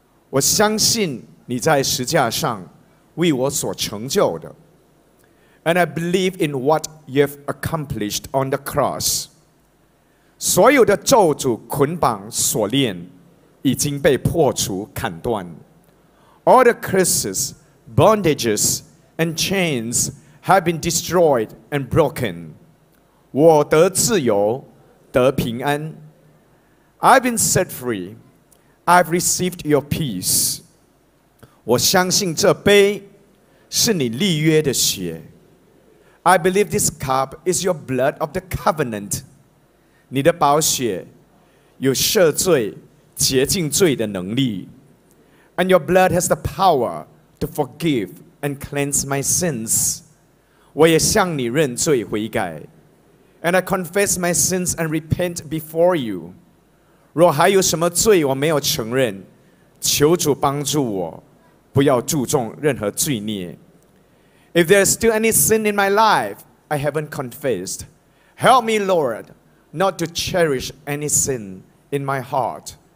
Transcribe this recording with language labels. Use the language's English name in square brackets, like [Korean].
[Chinese] 我相信你在十架上为我所成就的， [English] And I believe in what you've accomplished on the cross。 [Chinese] 所有的咒诅、捆绑、锁链已经被破除、砍断。 [English] All the curses, bondages, and chains have been destroyed and broken. [Chinese] 我得自由，得平安。 [English] I've been set free. I've received your peace. [Chinese] 我相信这杯是你立约的血。 [English] I believe this cup is your blood of the covenant. [Chinese] 你的宝血有赦罪、洁净罪的能力。 [English] And your blood has the power to forgive and cleanse my sins. [Chinese] 我也向你认罪悔改。 [English] And I confess my sins and repent before you. [Chinese] 若还有什么罪我没有承认，求主帮助我，不要注重任何罪孽。 [English] If there is still any sin in my life I haven't confessed, help me, Lord, not to cherish any sin in my heart.